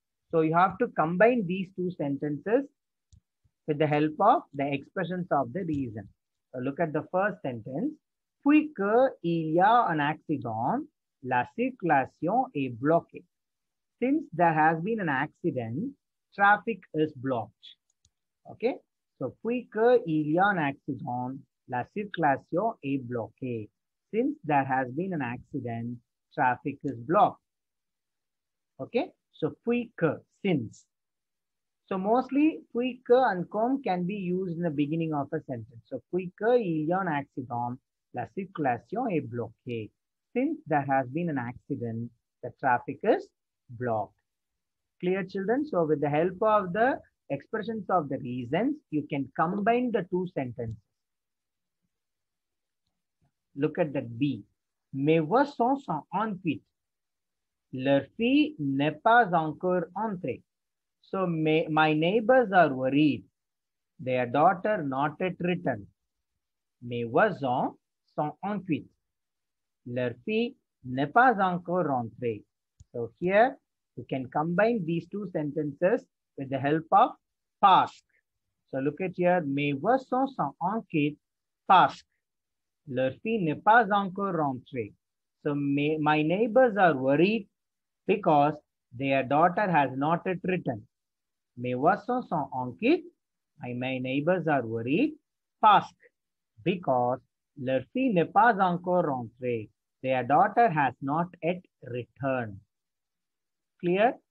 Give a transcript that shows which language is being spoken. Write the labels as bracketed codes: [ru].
[en] So you have to combine these two sentences with the help of the expressions of the reason. So look at the first sentence. [fr] Puisque il y a un accident. La circulation est bloquée. [en] Since there has been an accident, traffic is blocked. Okay? [fr] So, puisque il y a un accident, la circulation est bloquée. [en] Since there has been an accident, traffic is blocked. Okay? So, puisque, since. So, mostly, puisque and comme can be used in the beginning of a sentence. [fr] So, puisque il y a un accident, la circulation est bloquée. [en] Since there has been an accident, the traffic is blocked. Clear, children? So with the help of the expressions of the reasons, you can combine the two sentences. Look at that B. [fr] Mes voisins sont en fuite. Leur fille n'est pas encore entrée. [en] So my neighbors are worried. Their daughter not yet returned. [fr] Mes voisins sont en fuite. Leur fille n'est pas encore rentrée. [en] So here, you can combine these two sentences with the help of parce. So look at here. [fr] Mes voisins sont en fuite parce que leur fille n'est pas encore rentrée. [en] So my neighbors are worried because their daughter has not yet returned. [fr] Mes voisins sont en fuite. [en] My neighbors are worried [fr] parce que [en] because [fr] leur fille n'est pas encore rentrée. [en] Their daughter has not yet returned. Clear?